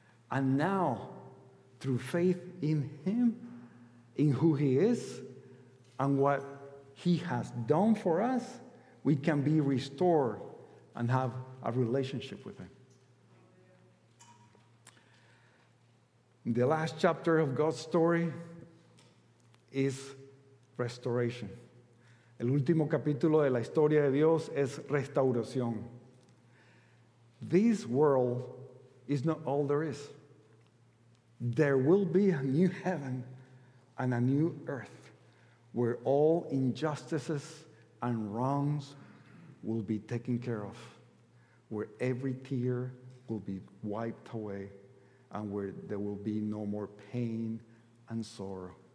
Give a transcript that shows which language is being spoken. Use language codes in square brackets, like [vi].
[en] And now, through faith in him, in who he is, and what he has done for us, we can be restored and have a relationship with him. The last chapter of God's story is restoration. [es] El último capítulo de la historia de Dios es restauración. [en] This world is not all there is. There will be a new heaven and a new earth where all injustices and wrongs will be taken care of, where every tear will be wiped away, and where there will be no more pain and sorrow.